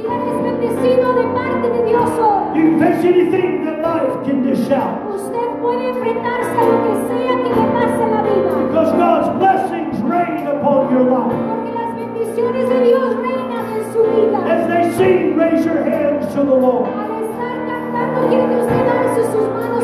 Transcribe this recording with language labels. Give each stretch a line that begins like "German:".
English: You can face anything that life can dish out.
Spanish: Usted puede enfrentarse a lo que sea que le pase la vida.
English: Because God's blessings rain upon your life.
Spanish: Porque las bendiciones de Dios reinan en su vida.
English: As they sing, raise your hands to the Lord.
Spanish: Al estar cantando, quiere que usted alce sus manos